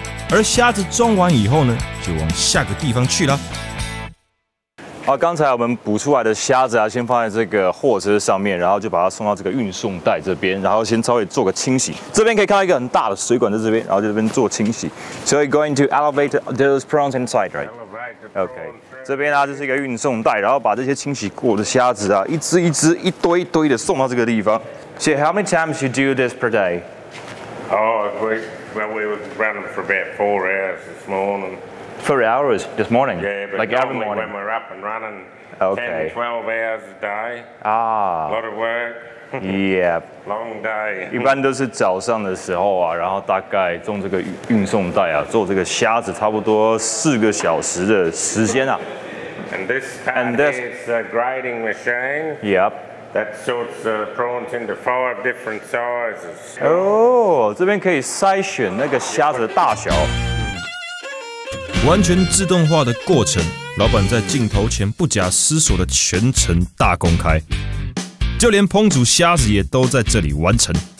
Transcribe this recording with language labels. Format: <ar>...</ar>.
<zh>而虾子装完以后呢，就往下个地方去了。好，刚才我们捕出来的虾子啊，先放在这个货车上面，然后就把它送到这个运送带这边，然后先稍微做个清洗。这边可以看到一个很大的水管在这边，然后就这边做清洗。</zh> <en>So we're going to elevate those prawns inside, right? OK。</en> <zh>这边啊，就是一个运送带，然后把这些清洗过的虾子啊，一只一只、一堆一堆的送到这个地方。</zh> <en>So how many times you do this per day? Oh, we were running for about 4 hours this morning. 4 hours this morning? Yeah, but like every morning when we're up and running. Okay. 10-12 hours a day. Ah. A lot of work. Yeah. Long day.</en> <zh>一般都是早上的时候啊，然后大概用这个运送带啊，做这个虾子，差不多4个小时的时间啊。</zh> <en>And this part here is a grading machine. Yep. That sorts the prawns into 5 different sizes.</en> <zh>Oh, 这边可以筛选那个虾子的大小。完全自动化的过程，老板在镜头前不假思索的全程大公开。就连烹煮虾子也都在这里完成。</zh>